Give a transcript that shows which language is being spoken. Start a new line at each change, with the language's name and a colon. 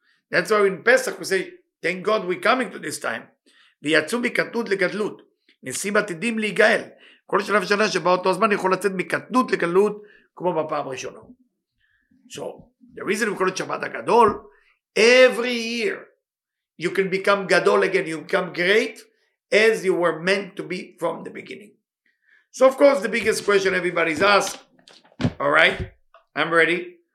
English: That's why in Pesach we say, thank God we're coming to this time.
Hebrew: ויצאו מקטנות לגדלות, נשיאים עתידים להיגאל. כל שנה ושנה שבא אותו הזמן יכול לצאת מקטנות לגדלות כמו בפעם הראשונה.
English: So, the reason we call it Shabbat Hagdol, every year you can become Gadol again, you become great as you were meant to be from the beginning. So, of course, the biggest question everybody's asked, all right, I'm ready.